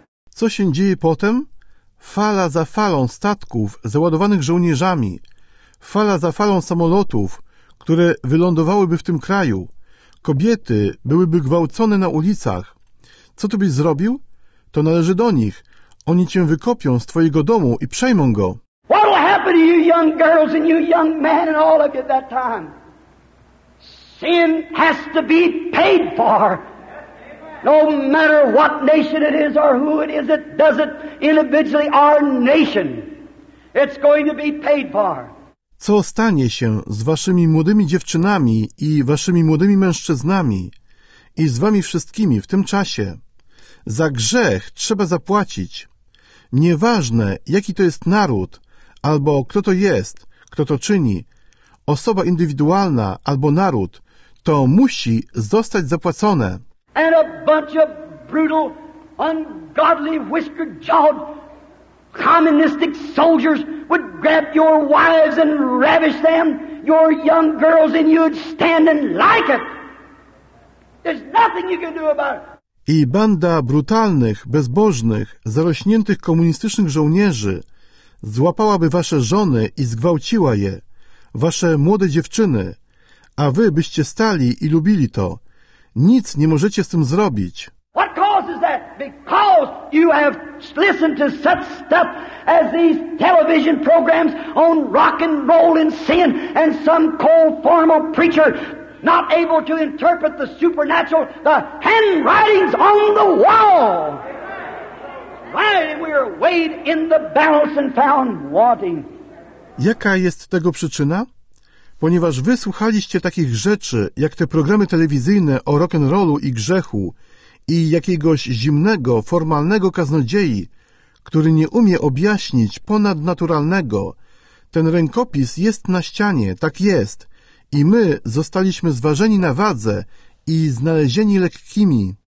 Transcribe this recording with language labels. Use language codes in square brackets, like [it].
[pl] Co się dzieje potem? Fala za falą statków załadowanych żołnierzami, fala za falą samolotów, które wylądowałyby w tym kraju, kobiety byłyby gwałcone na ulicach. Co ty byś zrobił? To należy do nich. Oni cię wykopią z twojego domu i przejmą go. [en] What'll happen to you young girls and you young men and all of you at that time? Sin has to be paid for. No matter what nation it is or who it is, it does it individually, our nation. It's going to be paid for. [pl] Co stanie się z waszymi młodymi dziewczynami i waszymi młodymi mężczyznami i z wami wszystkimi w tym czasie? Za grzech trzeba zapłacić. Nieważne, jaki to jest naród, albo kto to jest, kto to czyni, osoba indywidualna albo naród, to musi zostać zapłacone. [en] And a bunch of brutal, ungodly, whiskered-jawed, communistic soldiers would grab your wives and ravish them, your young girls, and you'd stand and like it. There's nothing you can do about it. [pl] I banda brutalnych, bezbożnych, zarośniętych komunistycznych żołnierzy złapałaby wasze żony i zgwałciła je, wasze młode dziewczyny, a wy byście stali i lubili to. Nic nie możecie z tym zrobić. [en] What causes that? Because you have listened to such stuff as these television programs on rock and roll and sin, and some cold formal preacher not able to interpret the supernatural, the handwriting's on the wall. Right, we are weighed in the balance and found wanting. [pl] Jaka jest tego przyczyna? Ponieważ wy słuchaliście takich rzeczy, jak te programy telewizyjne o rock'n'rollu i grzechu i jakiegoś zimnego, formalnego kaznodziei, który nie umie objaśnić ponadnaturalnego. Ten rękopis jest na ścianie, tak jest. I my zostaliśmy zważeni na wadze i znalezieni lekkimi.